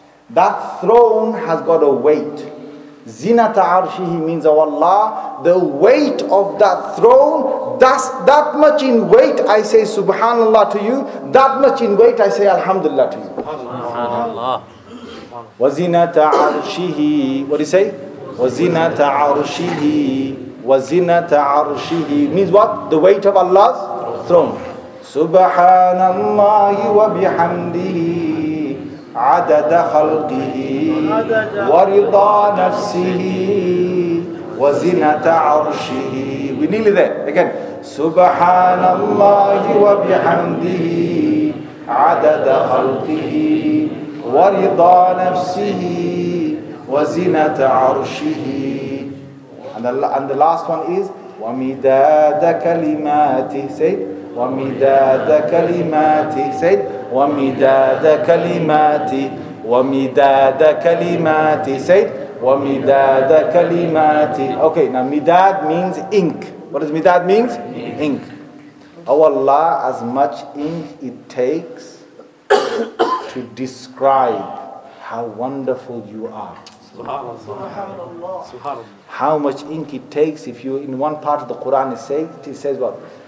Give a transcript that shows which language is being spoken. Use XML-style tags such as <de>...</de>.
<en>That throne has got a weight.</en> <ar>Zinata arshihi</ar> <en>means, oh Allah, the weight of that throne, that much in weight I say subhanallah to you, that much in weight I say alhamdulillah to you.</en> <ar>Subhanallah.</ar> <en>Wazinata arshihi, what do you say?</en> <ar>Wazinata arshihi, wazinata arshihi,</ar> <en>means what? The weight of Allah's throne.</en> <ar>Subhanallah wa bihamdihi, عدد خلقه ورضا نفسه وزنة عرشه.</ar> <en>We nearly there again.</en> <ar>سبحان الله وبحمده عدد خلقه ورضا نفسه وزنة عرشه.</ar> <en>And the last one is</en> <ar>ومداد كلماته. Say ومداد كلماته. Say ومداد كلماتي ومداد كلماتي. Say ومداد كلماتي.</ar> <en>Okay, now مداد means ink. What does مداد means? Ink. Oh Allah, as much ink it takes to describe how wonderful you are.</en> <ar>Subhanallah.</ar> <en>How much ink it takes, if you, in one part of the Quran it says what?</en>